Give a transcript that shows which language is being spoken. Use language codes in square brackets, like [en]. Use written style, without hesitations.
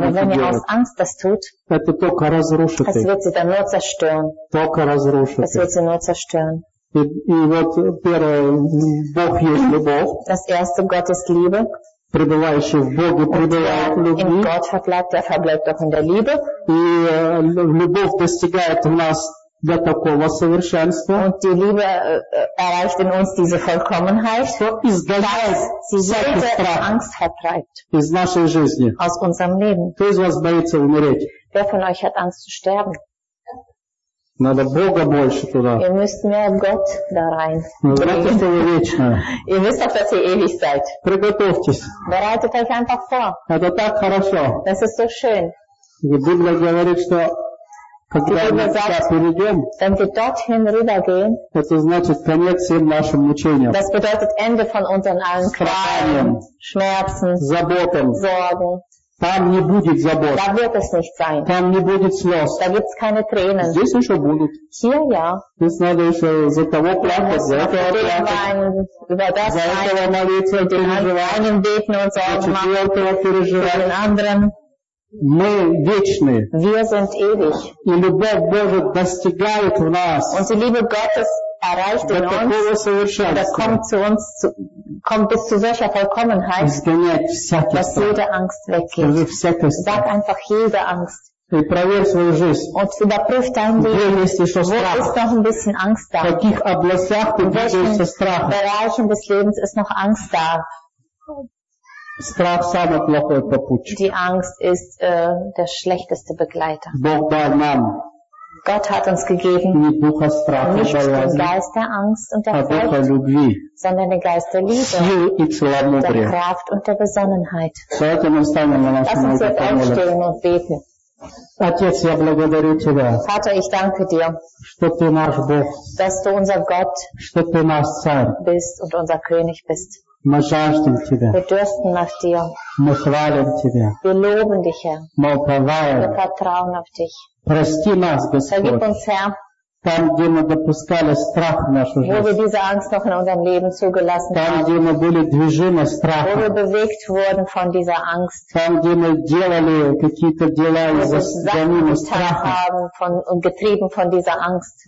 [ru] делать, [de] aber wenn ihr aus Angst das tut, [ru] это только разрушит [de] их. Das wird sie dann nur zerstören. [ru] Только разрушит их. [de] Das wird sie nur zerstören. [ru] И вот первое, Бог есть любовь. [de] Das erste, Gott ist Liebe. [ru] Пребывающий в Боге пребывает в любви. [de] In Gott verbleibt, der verbleibt auch in der Liebe. [ru] И любовь достигает в нас для такого совершенства. [de] Und die Liebe erreicht in uns diese Vollkommenheit. [ru] Что изгоняет всякий страх. [de] Angst vertreibt. [ru] Из нашей жизни. [de] Aus unserem Leben. [ru] Кто из вас боится умереть? [de] Wer von euch hat Angst zu sterben? [ru] Надо Бога больше туда. [de] Ihr müsst mehr Gott da rein. [ru] Знаете, что вы вечно. [de] Ihr wisst auch, dass ihr ewig seid. [ru] Приготовьтесь. [de] Bereitet euch einfach vor. [ru] Это так хорошо. [de] Das ist so schön. [ru] И Библия говорит, что когда мы туда перейдем, [de] wenn wir dorthin rübergehen, [ru] это значит конец всем нашим мучениям. [de] Das bedeutet Ende von unseren allen Qualen, Schmerzen, [ru] Заботам, [de] Sorgen. [ru] Там не будет забот. [de] Da wird es nicht sein. [ru] Там не будет слез. [de] Da gibt's keine Tränen. [ru] Здесь еще будут. [de] Hier, ja. [ru] Здесь надо еще за того плакать, за этого плакать. За этого молиться, переживать. За четвертого переживать. За [de] den [ru] Мы вечны. [de] Wir sind ewig. [ru] И любовь Божия достигает в нас. [de] Und die Liebe Gottes erreicht in uns. Das kommt zu uns, kommt bis zu solcher Vollkommenheit, dass jede Angst weggeht. Sag einfach jede Angst. [ru] И проверь свою жизнь. Вот [de] überprüf dein Leben. [ru] Где есть еще страх? [de] Wo ist noch ein bisschen Angst da? [ru] В каких областях ты боишься страха? [de] In welchen Bereichen des Lebens ist noch Angst da? [ru] Страх самый плохой попутчик. [de] Die Angst ist der schlechteste Begleiter. [ru] Бог дал нам. [de] Gott hat uns gegeben nicht den Geist der Angst und der Freude, sondern den Geist der Liebe, der Kraft und der Besonnenheit. Lass uns jetzt aufstehen und beten. [ru] Отец, я благодарю тебя. [de] Vater, ich danke dir, [ru] что ты наш Бог, [de] dass du unser Gott, [ru] что ты наш царь, [de] bist und unser König bist. [ru] Мы жаждем тебя. [de] Wir dürsten nach dir. [ru] Мы хвалим тебя. [de] Wir loben dich, Herr. [ru] Мы уповаем. [de] Wir vertrauen auf dich. [ru] Прости нас, Господь. [de] Vergib uns, Herr. [ru] Там, где мы допускали страх в нашу жизнь. [de] Wo wir diese Angst noch in unserem Leben zugelassen [ru] там, [de] haben. [ru] Там, где мы были движимы страхом. [de] Wo wir bewegt wurden von dieser Angst. [ru] Там, где мы делали какие-то дела из-за гонимого страха. [de] Und getrieben von dieser Angst.